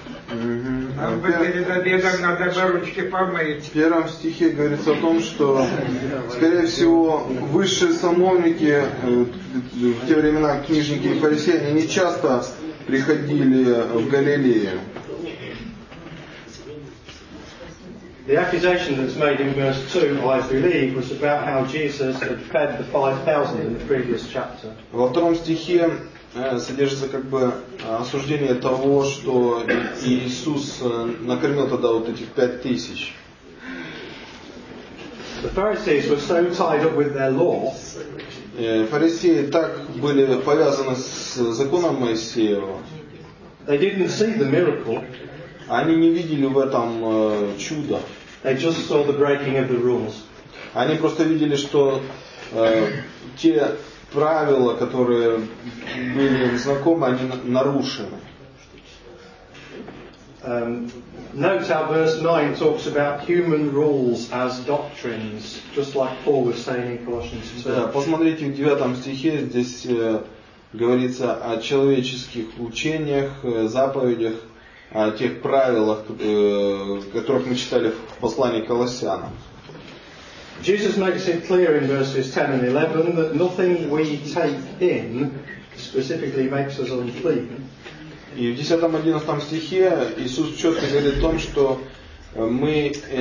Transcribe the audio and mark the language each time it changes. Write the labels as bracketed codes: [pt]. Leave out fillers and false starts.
[ru] В первом стихе говорится о том, что, скорее всего, высшие сановники, в те времена книжники и фарисеи, они не часто приходили в Галилею. [en] The accusation that's made in verse 2, I believe, was about how Jesus had fed the 5,000 in the previous chapter. [ru] Во втором стихе содержится как бы осуждение того, что Иисус накормил тогда вот этих 5,000. [en] The Pharisees were so tied up with their law. [ru] Фарисеи так были повязаны с законом Моисеева. [en] They didn't see the miracle. [ru] Они не видели в этом чуда. [en] They just saw the breaking of the rules. [ru] Они просто видели, что те правила, которые были знакомы, они нарушены. [en] Note how verse 9 talks about human rules as doctrines, just like Paul was saying in Colossians 2. [ru] Да, посмотрите, в 9 стихе здесь говорится о человеческих учениях, заповедях, о тех правилах, которых мы читали в послании к Колоссянам. [en] Jesus makes it clear in verses 10 and 11 that nothing we take in specifically makes us unclean. [ru] И в 10-11 стихе Иисус четко говорит о том, что мы